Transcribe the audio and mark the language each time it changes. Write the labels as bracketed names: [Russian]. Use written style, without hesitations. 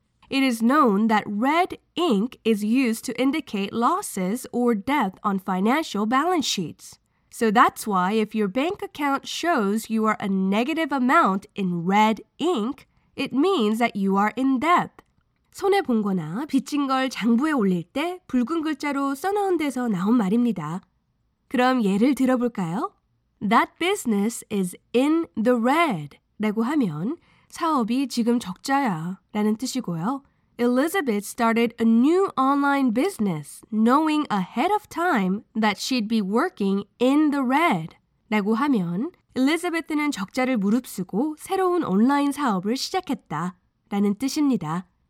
[English] It is known that red ink is used to indicate losses or debt on financial balance sheets. So that's why if your bank account shows you are a negative amount in red ink, it means that you are in debt. [Korean] 손해본 거나 빚진 걸 장부에 올릴 때 붉은 글자로 써놓은 데서 나온 말입니다. 그럼 예를 들어볼까요? [English] That business is in the red [Korean] 라고 하면 사업이 지금 적자야 라는 뜻이고요. [English] Elizabeth started a new online business knowing ahead of time that she'd be working in the red. [Korean] 라고 하면 엘리자베스는 적자를 무릅쓰고 새로운 온라인 사업을 시작했다 라는 뜻입니다.